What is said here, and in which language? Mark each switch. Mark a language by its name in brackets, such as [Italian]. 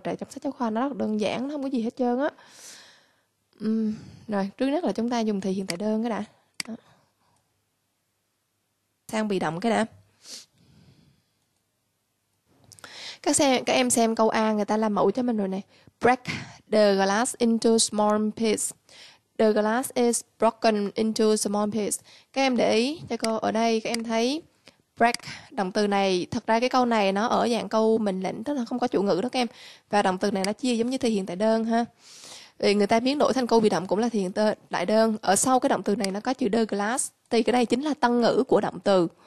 [Vietnamese] Tại trong sách giáo khoa nó rất đơn giản, nó không có gì hết trơn á. Rồi trước nhất là chúng ta dùng thể hiện tại đơn cái đã, sang bị động cái đã. Các em xem câu A người ta làm mẫu cho mình rồi này. [English] Break the glass into small pieces. The glass is broken into small pieces. [Vietnamese] Các em để ý cho cô, ở đây các em thấy break động từ này, thật ra cái câu này nó ở dạng câu mệnh lệnh, tức là không có chủ ngữ đó các em. Và động từ này nó chia giống như thể hiện tại đơn ha. Vì người ta biến đổi thành câu bị động cũng là thể hiện tại đơn. Ở sau cái động từ này nó có chữ the glass, thì cái đây chính là tân ngữ của động từ.